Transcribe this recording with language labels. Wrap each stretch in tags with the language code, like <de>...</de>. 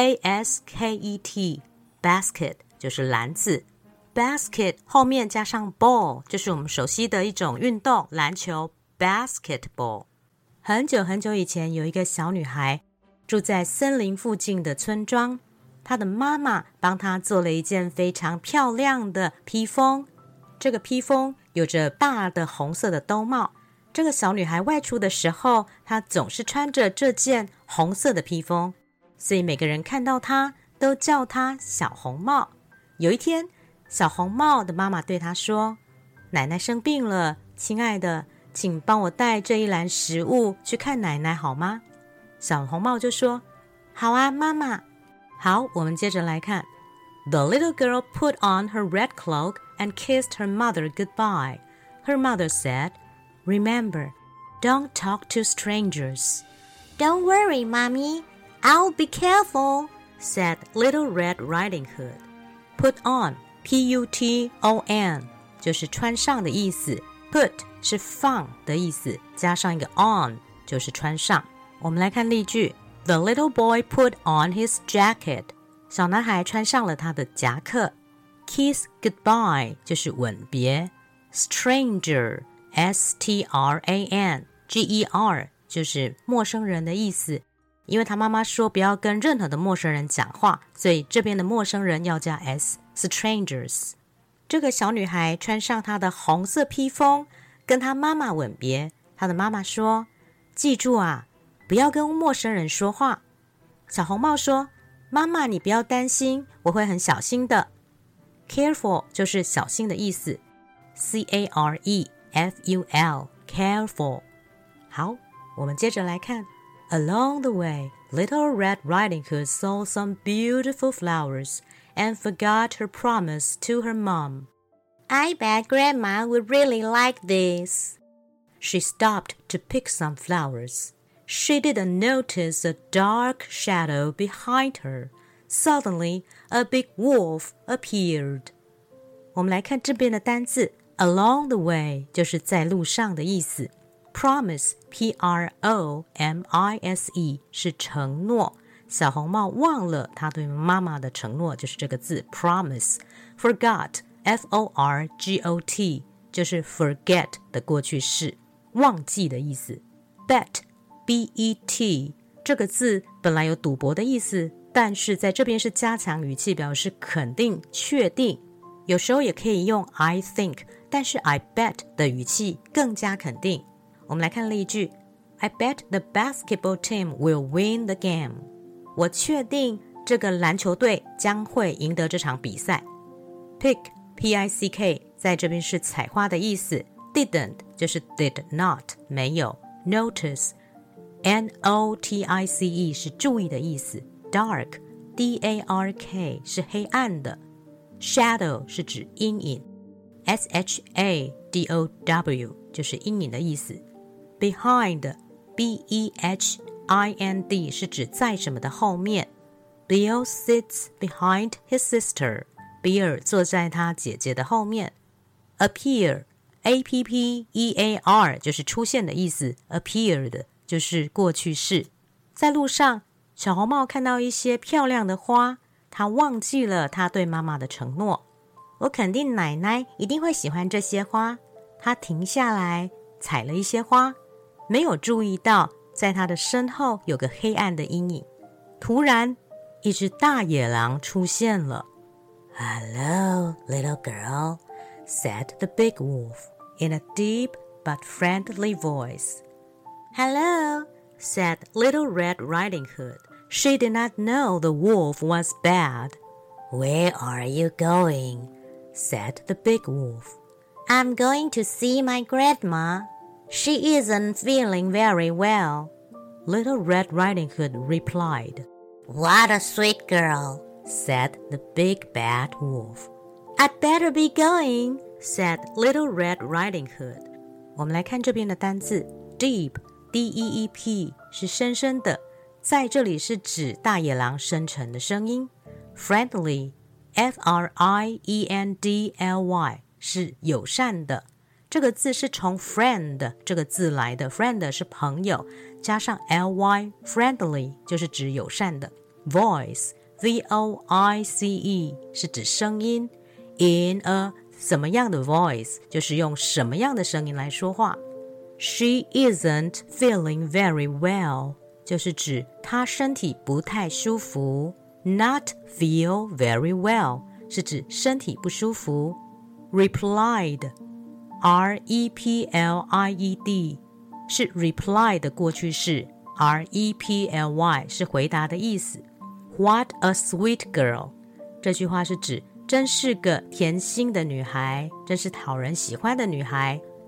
<zh>B-A-S-K-E-T, basket, 就是篮子。 Basket 后面加上 ball, 就是我们熟悉的一种运动，篮球 basketball。很久很久以前，有一个小女孩住在森林附近的村庄，她的妈妈帮她做了一件非常漂亮的披风。这个披风有着大的红色的兜帽，这个小女孩外出的时候，她总是穿着这件红色的披风，所以每个人看到她都叫她小红帽。有一天，小红帽的妈妈对她说，奶奶生病了，亲爱的，请帮我带这一篮食物去看奶奶好吗？小红帽就说，好啊，妈妈。好，我们接着来看。</zh> <en>The little girl put on her red cloak and kissed her mother goodbye. Her mother said, Remember, don't talk to strangers. Don't worry, mommy. I'll be careful, said Little Red Riding Hood.</en> <zh>Put on, P-U-T-O-N, 就是穿上的意思。 Put 是放的意思，加上一个 on, 就是穿上。我们来看例句。</zh> <en>The little boy put on his jacket.</en> <zh>小男孩穿上了他的夹克。 Kiss goodbye 就是吻别。 Stranger S-T-R-A-N G-E-R 就是陌生人的意思，因为他妈妈说不要跟任何的陌生人讲话，所以这边的陌生人要加 S， strangers。这个小女孩穿上她的红色披风跟她妈妈吻别，她的妈妈说，记住啊，不要跟陌生人说话。小红帽说，妈妈你不要担心，我会很小心的。 careful 就是小心的意思， C-A-R-E-F-U-L careful。好，我们接着来看。</zh> <en>Along the way, Little Red Riding Hood saw some beautiful flowers and forgot her promise to her mom. I bet Grandma would really like this. She stopped to pick some flowers. She didn't notice a dark shadow behind her. Suddenly, a big wolf appeared.</en> <zh>我们来看这边的单字。 Along the way 就是在路上的意思。 Promise, P-R-O-M-I-S-E, 是承诺。小红帽忘了她对妈妈的承诺，就是这个字 promise。 Forgot, F-O-R-G-O-T, 就是 forget 的过去式，忘记的意思。 Bet, B-E-T, 这个字本来有赌博的意思，但是在这边是加强语气，表示肯定确定。有时候也可以用</zh> <en>I think,</en> <zh>但是</zh> <en>I bet</en> <zh>的语气更加肯定。我们来看例句。</zh> <en>I bet the basketball team will win the game.</en> <zh>我确定这个篮球队将会赢得这场比赛。 Pick, P-I-C-K, 在这边是采花的意思。 Didn't, 就是 did not, 没有。 Notice, N-O-T-I-C-E, 是注意的意思。 Dark, D-A-R-K, 是黑暗的。 Shadow, 是指阴影。S-H-A-D-O-W, 就是阴影的意思。 Behind, B-E-H-I-N-D, 是指在什么的后面。</zh> <en>Bill sits behind his sister.</en> <zh>比尔坐在他姐姐的后面。Appear, A-P-P-E-A-R, 就是出现的意思。 Appeared, 就是过去式。在路上，小红帽看到一些漂亮的花，她忘记了她对妈妈的承诺。我肯定奶奶一定会喜欢这些花。她停下来采了一些花，没有注意到在他的身后有个黑暗的阴影。突然一只大野狼出现了。</zh> <en>Hello, little girl, said the big wolf in a deep but friendly voice. Hello, said little Red Riding Hood. She did not know the wolf was bad. Where are you going? Said the big wolf. I'm going to see my grandma. She isn't feeling very well, Little Red Riding Hood replied. What a sweet girl, said the big bad wolf. I'd better be going, said Little Red Riding Hood.</en> <zh>我们来看这边的单字。 Deep, D-E-E-P, 是深深的，在这里是指大野狼深沉的声音。 Friendly, F-R-I-E-N-D-L-Y, 是友善的。这个字是从 friend 这个字来的， friend 是朋友，加上 ly, friendly 就是指友善的。 voice, V-O-I-C-E 是指声音。 in a 什么样的 voice 就是用什么样的声音来说话。</zh> <en>she isn't feeling very well</en> <zh>就是指她身体不太舒服。</zh> <en>not feel very well</en> <zh>是指身体不舒服。 replied,R-E-P-L-I-E-D 是 reply 的过去式， R-E-P-L-Y 是回答的意思。</zh> <en>What a sweet girl，</en> <zh>这句话是指真是个甜心的女孩，真是讨人喜欢的女孩。</zh>